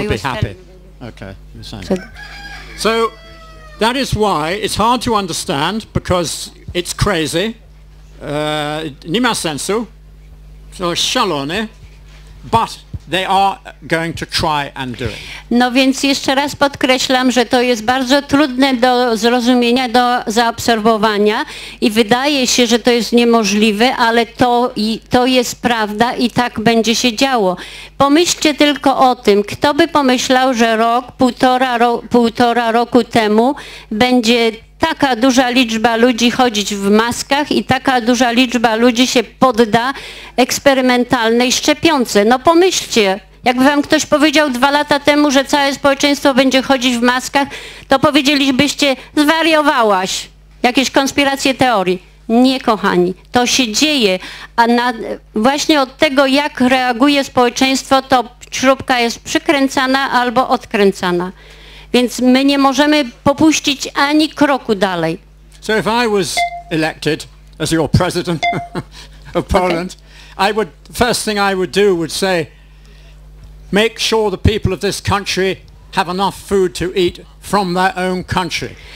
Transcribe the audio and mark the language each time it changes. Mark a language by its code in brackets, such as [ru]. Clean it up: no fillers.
[en] will be happy. Okay, you're saying. So that is why it's hard to understand because it's crazy. [pl] Nie ma sensu. to szalone, [en] but they are going to try and do it. [pl] No więc jeszcze raz podkreślam, że to jest bardzo trudne do zrozumienia, do zaobserwowania i wydaje się, że to jest niemożliwe, ale to jest prawda i tak będzie się działo. Pomyślcie tylko o tym, kto by pomyślał, że półtora roku temu będzie taka duża liczba ludzi chodzić w maskach i taka duża liczba ludzi się podda eksperymentalnej szczepionce. No pomyślcie, jakby wam ktoś powiedział 2 lata temu, że całe społeczeństwo będzie chodzić w maskach, to powiedzielibyście, zwariowałaś, jakieś konspiracje teorii. Nie, kochani, to się dzieje, a właśnie od tego, jak reaguje społeczeństwo, to śrubka jest przykręcana albo odkręcana. Więc my nie możemy popuścić ani kroku dalej. [en] So if I was elected as your president of Poland, okay. The first thing I would do would say, make sure the people of this country have enough food to eat from their own country.